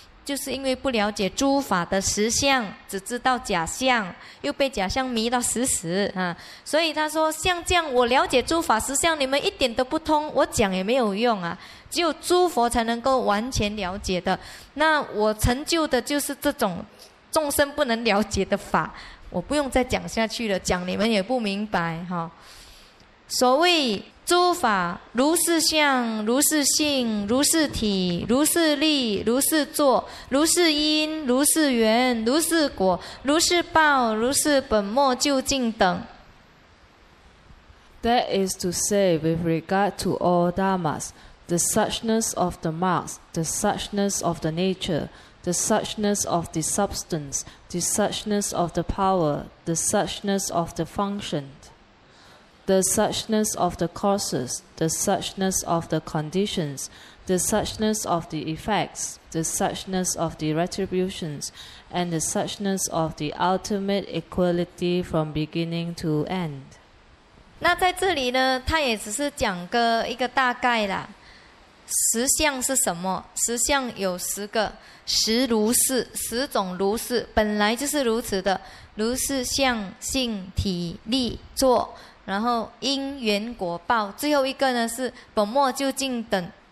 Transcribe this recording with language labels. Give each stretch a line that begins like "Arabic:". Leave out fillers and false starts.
Chinese: 就是因为不了解诸法的实相，只知道假相，又被假相迷到死死、啊、所以他说像这样我了解诸法实相你们一点都不通，我讲也没有用啊，只有诸佛才能够完全了解的，那我成就的就是这种众生不能了解的法，我不用再讲下去了，讲你们也不明白、哦、所谓诸法如是相如是性如是体如是力如是作如是因如是缘如是果如是报如是本末究竟等。
English: That is to say with regard to all dharmas, the suchness of the marks, the suchness of the nature, the suchness of the substance, the suchness of the power, the suchness of the function,the suchness of the causes, the suchness of the conditions, the suchness of the effects, the suchness of the retributions, and the suchness of the ultimate equality from beginning to end.
Chinese: 那在这里呢，他也只是讲个一个大概啦。实相是什么？实相有十个，十如是，十种如是，本来就是如此的，如是相、性、体、力、作。然后因缘果报，最后一个呢是本末究竟等。